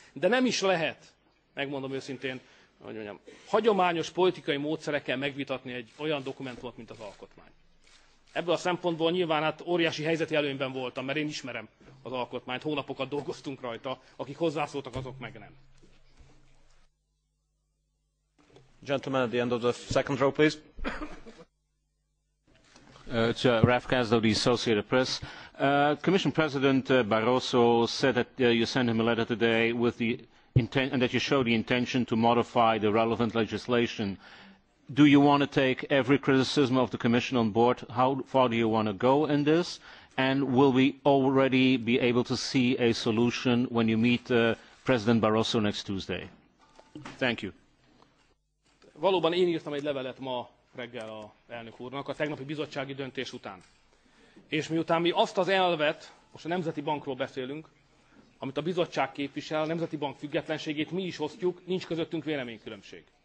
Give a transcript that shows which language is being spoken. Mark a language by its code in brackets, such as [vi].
[hu] De nem is lehet, megmondom őszintén, hogy mondjam, hagyományos politikai módszerekkel megvitatni egy olyan dokumentumot, mint az alkotmány. Ebből a szempontból nyilván hát óriási helyzeti előnyben voltam, mert én ismerem az alkotmányt, hónapokat dolgoztunk rajta, akik hozzászóltak, azok meg nem. [en] Gentlemen at the end of the second row, please. It's Raf Kaz of the Associated Press. Commission President Barroso said that you sent him a letter today with the intent and that you showed the intention to modify the relevant legislation. Do you want to take every criticism of the Commission on board? How far do you want to go in this? And will we already be able to see a solution when you meet President Barroso next Tuesday? Thank you. [hu] Valóban én írtam egy levelet ma reggel a elnök úrnak, a tegnapi bizottsági döntés után. És miután mi azt az elvet, most a Nemzeti Bankról beszélünk, amit a bizottság képvisel, a Nemzeti Bank függetlenségét mi is osztjuk, nincs közöttünk véleménykülönbség.